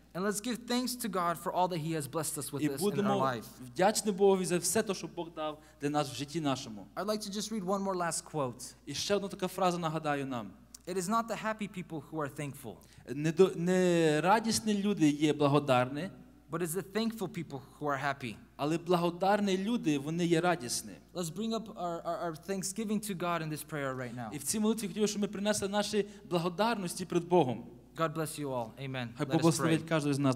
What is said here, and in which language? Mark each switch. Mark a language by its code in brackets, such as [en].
[en] And let's give thanks to God for all that he has blessed us with in our life. [uk] І будемо вдячні Богові за все те, що Бог дав для нас в житті нашому. [en] I'd like to just read one more last quote. [uk] І ще одна така фраза нагадаю нам. [en] It is not the happy people who are thankful. [uk] Не радісні люди є благодарні. [en] But it's the thankful people who are happy. [uk] Але благодарні люди, вони є радісні. [en] Let's bring up our thanksgiving to God in this prayer right now. [uk] І в цій молитві хотів, щоб ми принесли наші благодарності перед Богом. [en] God bless you all. Amen. [uk] Хай Бог благословить кожного з нас.